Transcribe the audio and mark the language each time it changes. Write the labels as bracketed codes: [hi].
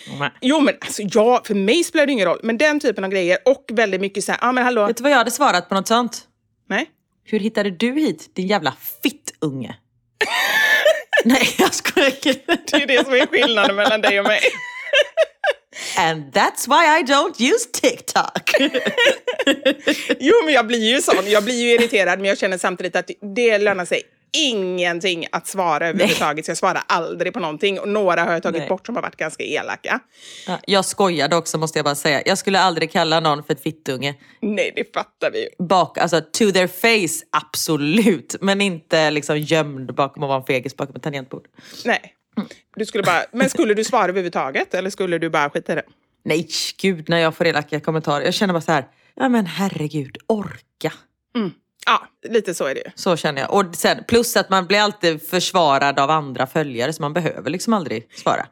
[sv] Nej. Jo, men alltså, ja, för mig spelar det ingen roll. Men den typen av grejer och väldigt mycket så här, men hallå. Vet du vad jag hade svarat på något sånt? Nej. Hur hittade du hit, din jävla fittunge? Nej, jag skulle inte. Det är ju det som är skillnaden mellan dig och mig. [en] And that's why I don't use TikTok. [sv] Jo, men jag blir ju sån. Jag blir ju irriterad, men jag känner samtidigt att det lönar sig ingenting att svara överhuvudtaget. Så jag svarar aldrig på någonting. Och några har jag tagit bort som har varit ganska elaka. Jag skojade också, måste jag bara säga. Jag skulle aldrig kalla någon för ett fittunge. Nej, det fattar vi ju. Bak, alltså, [en] to their face, [sv] absolut. Men inte liksom gömd bakom att vara en fegis bakom ett tangentbord. Nej. Du skulle bara, men skulle du svara överhuvudtaget? Eller skulle du bara skita i det? Nej, gud, när jag får elaka kommentarer. Jag känner bara så här, ja men herregud, orka. Mm. Ja, lite så är det ju. Så känner jag. Och sen, plus att man blir alltid försvarad av andra följare, så man behöver liksom aldrig svara.